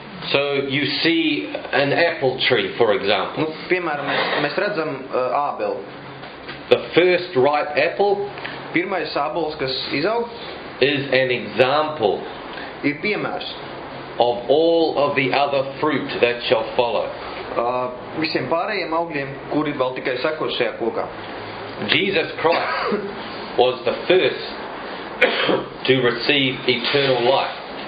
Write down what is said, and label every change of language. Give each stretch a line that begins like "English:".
English: So you see an apple tree, for example.
Latvian: Piemēram, mēs redzam ābeli.
English: The first ripe apple.
Latvian: Pirmais ābols, kas izaug,
English: is an example,
Latvian: ir piemērs,
English: of all of the other fruit that shall follow.
Latvian: Visiem pārējiem augļiem, kuri vēl tikai sekos šajā kokā.
English: Jesus Christ was the first to receive eternal life.